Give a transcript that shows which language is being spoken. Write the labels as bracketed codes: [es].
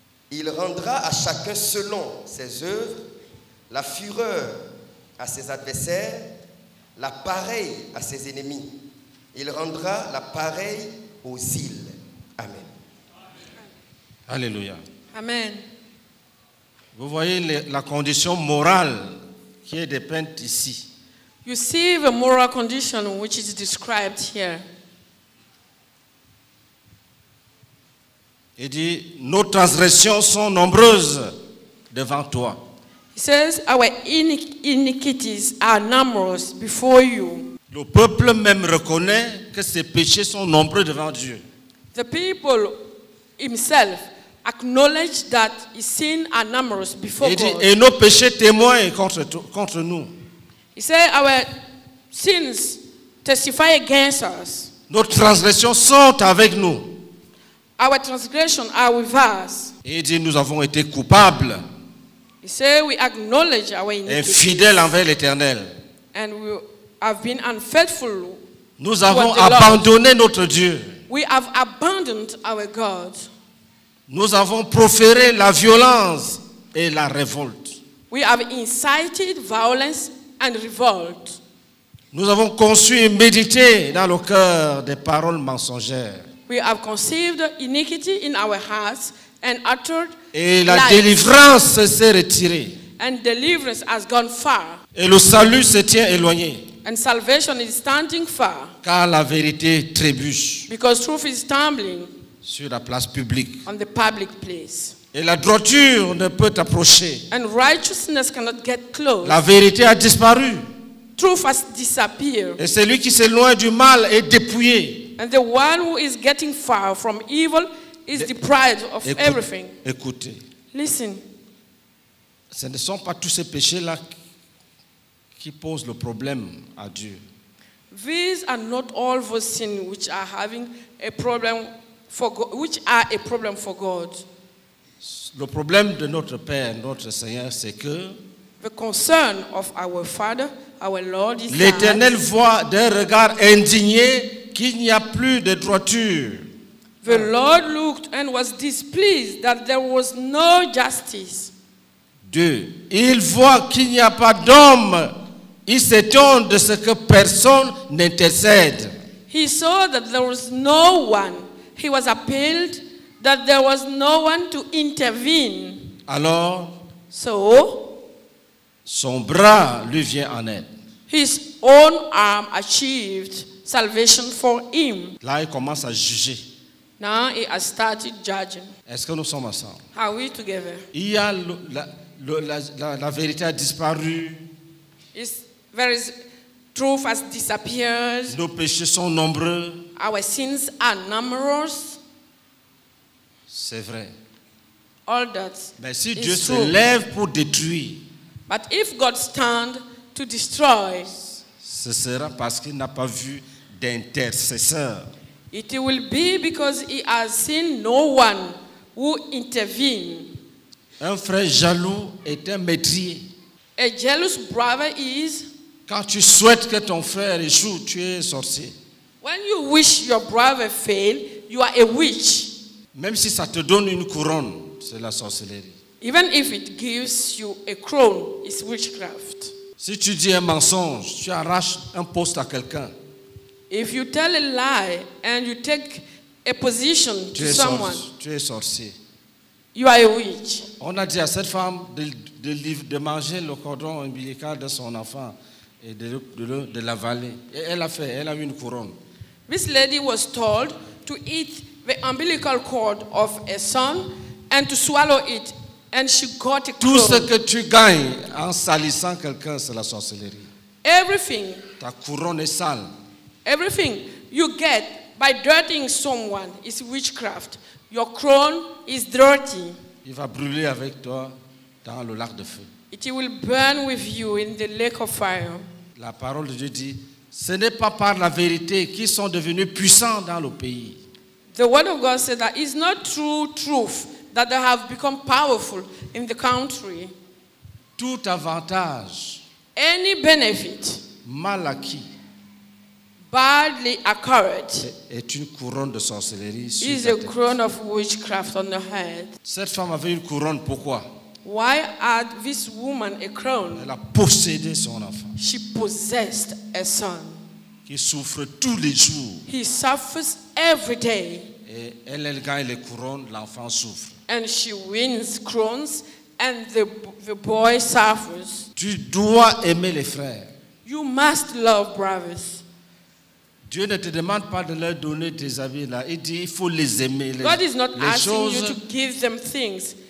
[fr] Il rendra à chacun selon ses œuvres la fureur à ses adversaires, la pareille à ses ennemis. Il rendra la pareille aux îles. Amen. Alléluia. Amen. Vous voyez la condition morale qui est dépeinte ici. [en] You see the moral condition which is described here. [fr] Il dit, nos transgressions sont nombreuses devant toi. [en] He says, our iniquities are numerous before you. [fr] Le peuple même reconnaît que ses péchés sont nombreux devant Dieu. [en] The people himself acknowledge that his sins are numerous before God. [fr] Et nos péchés témoignent contre nous. [en] He says, our sins testify against us. [fr] Nos transgressions sont avec nous. [en] Our transgressions are with us. [fr] Il dit, nous avons été coupables. [en] He said, we acknowledge our iniquity. [fr] Infidèles envers l'Éternel. [en] And we have been unfaithful. [fr] Nous avons abandonné notre Dieu. [en] We have abandoned our God. [fr] Nous avons proféré la violence et la révolte. [en] We have incited violence and revolt. [fr] Nous avons conçu et médité dans le cœur des paroles mensongères. [en] We have conceived iniquity in our hearts and uttered lies. [fr] Et la délivrance s'est retirée. [en] And deliverance has gone far. [fr] Et le salut se tient éloigné. [en] And salvation is standing far. [fr] Car la vérité trébuche. [en] Because truth is stumbling. [fr] Sur la place publique. [en] On the public place. [fr] Et la droiture ne peut approcher. [en] And righteousness cannot get close. [fr] La vérité a disparu. [en] Truth has disappeared. [fr] Et celui qui s'éloigne du mal est dépouillé. [en] And the one who is getting far from evil is deprived of everything. [fr] Écoutez. [en] Listen. [fr] Ce ne sont pas tous ces péchés-là qui pose le problème à Dieu. [en] These are not all the sins which are having a problem for God, which are a problem for God. [fr] Le problème de notre Père, notre Seigneur, c'est que [en] the concern of our Father, our Lord, is [fr] l'Éternel voit d'un regard indigné qu'il n'y a plus de droiture. [en] The Lord looked and was displeased that there was no justice. [fr] Dieu, il voit qu'il n'y a pas d'homme. Il s'étonne de ce que personne n'intercède. [en] He saw that there was no one. He was appalled that there was no one to intervene. [fr] Alors, [en] so, [fr] son bras lui vient en aide. [en] His own arm achieved salvation for him. [fr] Là, il commence à juger. [en] Now he has started judging. [fr] Est-ce que nous sommes ensemble? [en] Are we together? [fr] Il y a la vérité a disparu. [en] Whereas truth has disappeared. [fr] Nos péchés sont nombreux. [en] Our sins are numerous. [fr] C'est vrai. [en] All that. [fr] Mais si Dieu se lève pour détruire. [en] But if God stand to destroy. [fr] Ce sera parce qu'il n'a pas vu d'intercesseur. [en] It will be because he has seen no one who intervene. [fr] Un frère jaloux est un meurtrier. [en] A jealous brother is. [fr] Quand tu souhaites que ton frère échoue, tu es sorcier. [en] When you wish your brother fail, you are a witch. [fr] Même si ça te donne une couronne, c'est la sorcellerie. [en] Even if it gives you a crown, it's witchcraft. [fr] Si tu dis un mensonge, tu arraches un poste à quelqu'un. [en] If you tell a lie and you take a position to someone, [fr] tu es sorcier. [en] You are a witch. [fr] On a dit à cette femme de manger le cordon ombilical de son enfant. Et de la vallée. Et elle a fait, elle a eu une couronne. [en] This lady was told to eat the umbilical cord of a son and to swallow it, and she got a crown. [fr] Tout ce que tu gagnes en salissant quelqu'un, c'est la sorcellerie. [en] Everything. [fr] Ta couronne est sale. [en] Everything you get by dirtying someone is witchcraft. Your crown is dirty. [fr] Il va brûler avec toi dans le lac de feu. [en] It will burn with you in the lake of fire. [fr] La parole de Dieu dit, ce n'est pas par la vérité qu'ils sont devenus puissants dans le pays. [en] The word of God said that it's not through truth that they have become powerful in the country. [fr] Tout avantage, [en] any benefit, [fr] mal acquis, [en] badly acquired, [fr] est une couronne de sorcellerie sur la tête. [en] Is a crown of witchcraft on the head. [fr] Cette femme avait une couronne, pourquoi? [en] Why had this woman a crown? [fr] Elle a possédé son enfant. [en] She possessed a son. [fr] Qui souffre tous les jours. [en] He suffers every day. [fr] Et elle gagne les couronnes, l'enfant souffre. [en] And she wins crowns and the boy suffers. [fr] Tu dois aimer les frères. [en] You must love brothers. [fr] Dieu ne te demande pas de leur donner tes habits là. Il dit il faut les aimer. [en] God is not asking you to give them things.